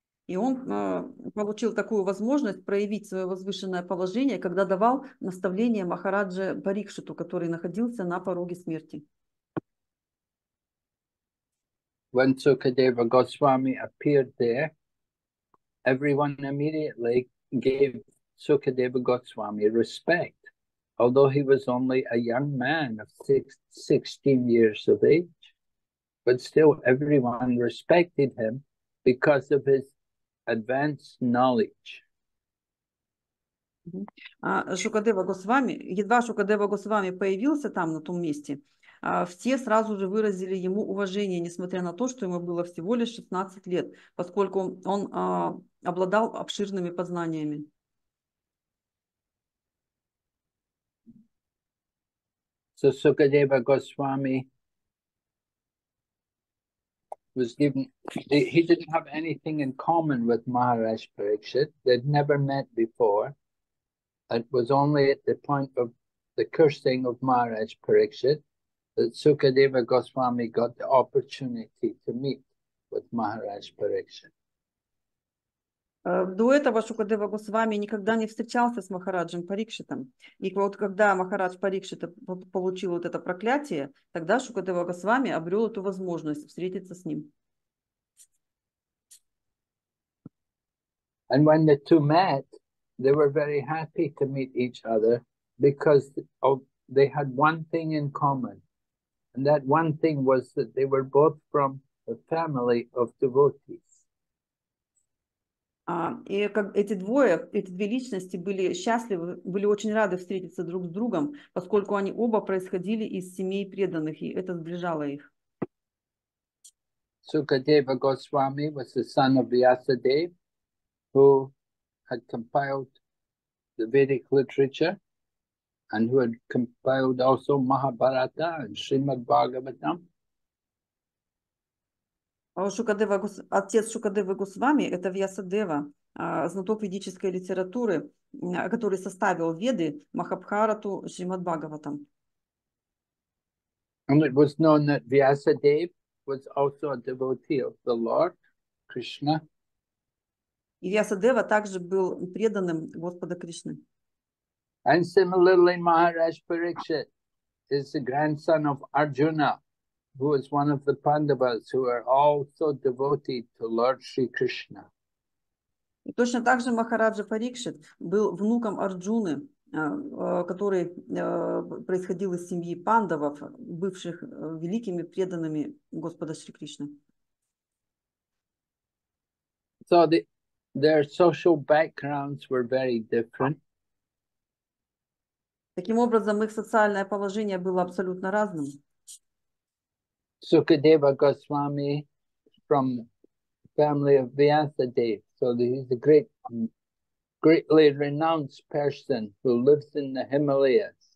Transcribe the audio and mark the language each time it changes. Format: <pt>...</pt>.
<ru>И он получил такую возможность проявить свое возвышенное положение, когда давал наставление Махарадже Парикшиту, который находился на пороге смерти.</ru> <en>When Sukadeva Goswami appeared there, everyone immediately gave Sukadeva Goswami respect, although he was only a young man of 16 years of age. But still, everyone respected him because of his advanced knowledge.</en> <ru>Шукадева Госвами, едва Шукадева Госвами появился там, на том месте, все сразу же выразили ему уважение, несмотря на то, что ему было всего лишь 16 лет, поскольку он обладал обширными познаниями.</ru> <en>So Sukadeva Goswami was given, he didn't have anything in common with Maharaj Parikshit. They'd never met before. It was only at the point of the cursing of Maharaj Parikshit that Sukadeva Goswami got the opportunity to meet with Maharaj Parikshit.</en> <ru>До этого Шукадева Госвами никогда не встречался с Махараджем Парикшитом. И вот когда Махарадж Парикшит получил вот это проклятие, тогда Шукадева Госвами обрел эту возможность встретиться с ним.</ru> <en>And when the two met, they were very happy to meet each other because they had one thing in common. And that one thing was that they were both from a family of devotees.</en> <ru>И как эти двое, эти две личности были счастливы, были очень рады встретиться друг с другом, поскольку они оба происходили из семей преданных, и это сближало их.</ru> <en>Sukadeva Goswami was the son of Vyasadeva, who had compiled the Vedic literature and who had compiled also Mahabharata and Srimad Bhagavatam.</en> <ru>Отец Шукадевы Госвами – это Вьясадева, знаток ведической литературы, который составил Веды Махабхарату Шримад Бхагаватам.</ru> <en>And it was known that Vyasadeva was also a devotee of the Lord Krishna.</en> <ru>И Вьясадева также был преданным Господа Кришны.</ru> <en>And similarly, Maharaj Parikshit is the grandson of Arjuna, who is one of the Pandavas who are also devoted to Lord Sri Krishna.</en> <ru>И точно так же Махараджа Парикшит был внуком Арджуны, который происходил из семьи пандавов, бывших великими преданными Господа Шри Кришны.</ru> <en>So their social backgrounds were very different.</en> <ru>Таким образом, их социальное положение было абсолютно разным.</ru> <en>Sukadeva Goswami from the family of Vyasadeva, so he's a great, greatly renowned person who lives in the Himalayas.</en>